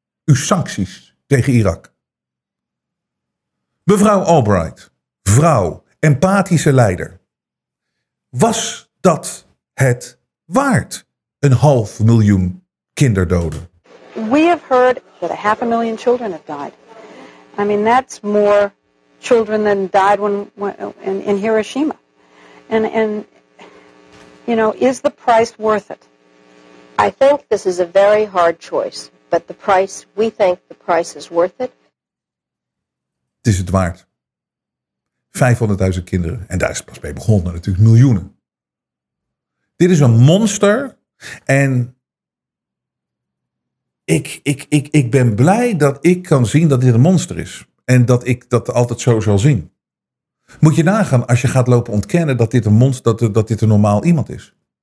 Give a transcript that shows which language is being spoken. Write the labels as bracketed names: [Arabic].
[Dutch] Uw sancties tegen Irak. Mevrouw Albright, vrouw, empathische leider. Was dat het waard, een 500.000 kinderdoden? [English] We have heard that 500.000 children have died. I mean, that's more children than died in Hiroshima. And you know, is the price worth it? I think this is a very hard choice, but the price, we think the price is worth it. [Dutch] Het is het waard. 500.000 kinderen, en daar is het pas mee begonnen, natuurlijk miljoenen. Dit is een monster en Ik ben blij dat ik kan zien dat dit een monster is. En dat ik dat altijd zo zal zien. Moet je nagaan als je gaat lopen ontkennen dat dit een monster, dat dit een normaal iemand is.